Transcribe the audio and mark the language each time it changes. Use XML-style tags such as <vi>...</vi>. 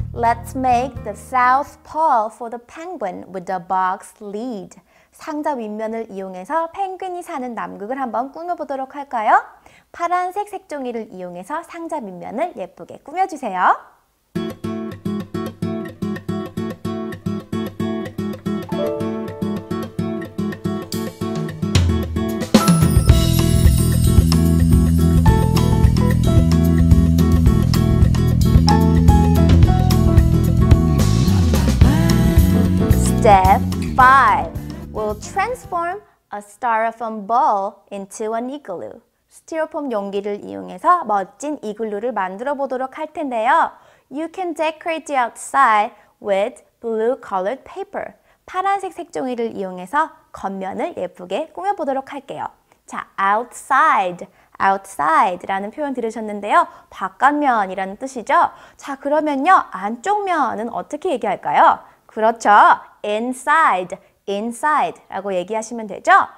<en>Let's make the South Pole for the penguin with the box lid.</en> <ko>상자 윗면을 이용해서 펭귄이 사는 남극을 한번 꾸며보도록 할까요? 파란색 색종이를 이용해서 상자 윗면을 예쁘게 꾸며주세요. Bye.</ko> <en>Step 5. We'll transform a styrofoam ball into an igloo.</en> <ko>스티로폼 용기를 이용해서 멋진 이글루를 만들어 보도록 할 텐데요.</ko> <en>You can decorate the outside with blue-colored paper.</en> <ko>파란색 색종이를 이용해서 겉면을 예쁘게 꾸며보도록 할게요. 자, outside, outside라는 표현 들으셨는데요. 바깥면이라는 뜻이죠? 자, 그러면요. 안쪽 면은 어떻게 얘기할까요? 그렇죠. inside, inside라고 얘기하시면 되죠?</ko>